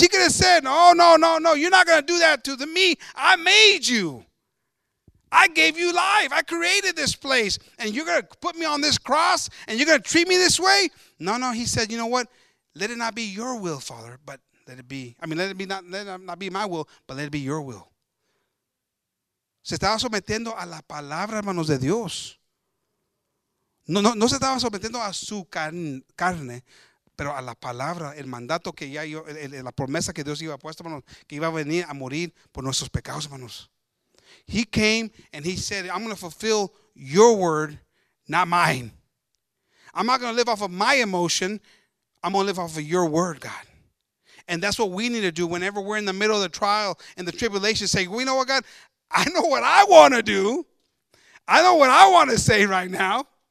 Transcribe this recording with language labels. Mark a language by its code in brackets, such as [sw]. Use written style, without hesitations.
[en] He could have said, oh, no, you're not going to do that to me. I made you. I gave you life. I created this place. And you're going to put me on this cross and you're going to treat me this way? No, he said, you know what? Let it not be your will, Father, but let it not be my will, but let it be your will. [es] Se estaba sometiendo a la palabra, hermanos, de Dios. No se estaba sometiendo a su carne, pero a la palabra, el mandato que ya yo, la promesa que Dios iba a puesto, hermanos, que iba a venir a morir por nuestros pecados, hermanos. [en] He came and he said, I'm going to fulfill your word, not mine. I'm not going to live off of my emotion. I'm going to live off of your word, God. And that's what we need to do whenever we're in the middle of the trial and the tribulation. Say, well, you know what, God? I know what I want to do. I know what I want to say right now.